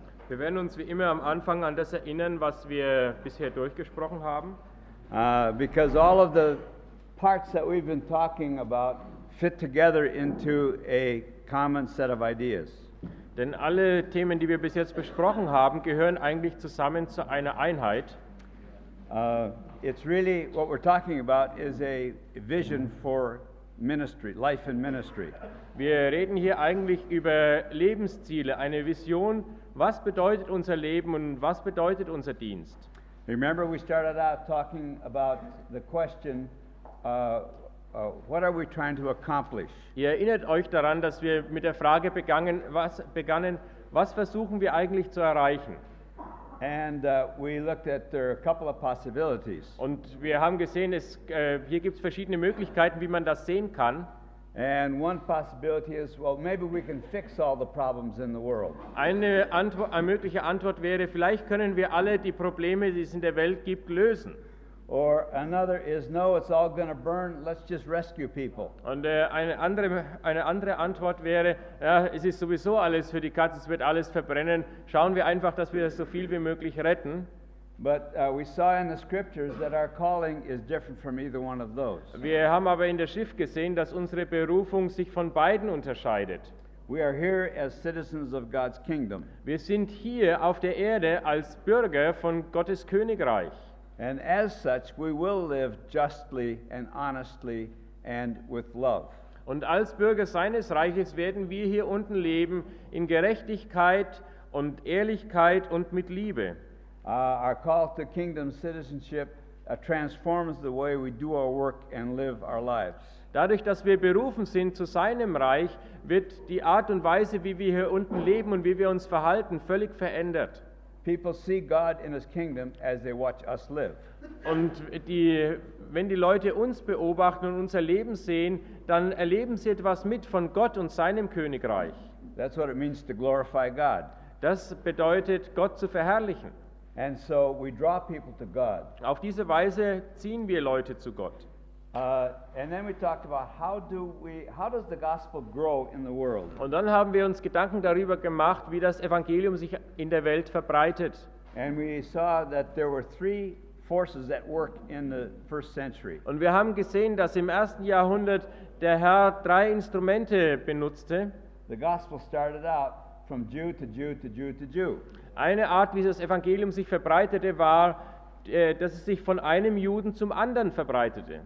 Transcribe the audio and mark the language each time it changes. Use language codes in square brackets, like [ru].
[de] Wir werden uns wie immer am Anfang an das erinnern, was wir bisher durchgesprochen haben. [en] Because all of the parts that we've been talking about fit together into a common set of ideas. [de] Denn alle Themen, die wir bis jetzt besprochen haben, gehören eigentlich zusammen zu einer Einheit. [en] It's really what we're talking about is a vision for ministry, life and ministry. [de] Wir reden hier eigentlich über Lebensziele, eine Vision. Was bedeutet unser Leben und was bedeutet unser Dienst? [en] Remember, we started out talking about the question, what are we trying to accomplish? [de] Ihr erinnert euch daran, dass wir mit der Frage begannen, was versuchen wir eigentlich zu erreichen? [en] And we looked at there a couple of possibilities. [de] Und wir haben gesehen, hier gibt's verschiedene Möglichkeiten, wie man das sehen kann. [en] And one possibility is, well, maybe we can fix all the problems in the world. [de] Eine mögliche Antwort wäre, vielleicht können wir alle die Probleme, die es in der Welt gibt, lösen. [en] Or another is, no, it's all going to burn. Let's just rescue people. [de] Und eine andere Antwort wäre, ja, es ist sowieso alles für die Katze, es wird alles verbrennen. Schauen wir einfach, dass wir so viel wie möglich retten. [en] But we saw in the scriptures that our calling is different from either one of those. [de] Wir haben aber in der Schrift gesehen, dass unsere Berufung sich von beiden unterscheidet. [en] We are here as citizens of God's kingdom. [de] Wir sind hier auf der Erde als Bürger von Gottes Königreich. [en] And as such, we will live justly and honestly and with love. [de] Und als Bürger seines Reiches werden wir hier unten leben in Gerechtigkeit und Ehrlichkeit und mit Liebe. [en] Our call to kingdom citizenship transforms the way we do our work and live our lives. [de] Dadurch, dass wir berufen sind zu seinem Reich, wird die Art und Weise, wie wir hier unten leben und wie wir uns verhalten, völlig verändert. [en] People see God in his kingdom as they watch us live. [de] Und wenn die Leute uns beobachten und unser Leben sehen, dann erleben sie etwas mit von Gott und seinem Königreich. [en] That's what it means to glorify God. [de] Das bedeutet, Gott zu verherrlichen. [en] And so we draw people to God. [de] Auf diese Weise ziehen wir Leute zu Gott. [en] And then we talked about how does the gospel grow in the world? [de] Und dann haben wir uns Gedanken darüber gemacht, wie das Evangelium sich in der Welt verbreitet. [en] And we saw that there were three forces at work in the first century. [de] Und wir haben gesehen, dass im ersten Jahrhundert der Herr drei Instrumente benutzte. [en] The gospel started out from Jew to Jew to Jew to Jew. [de] Eine Art, wie das Evangelium sich verbreitete, war, dass es sich von einem Juden zum anderen verbreitete.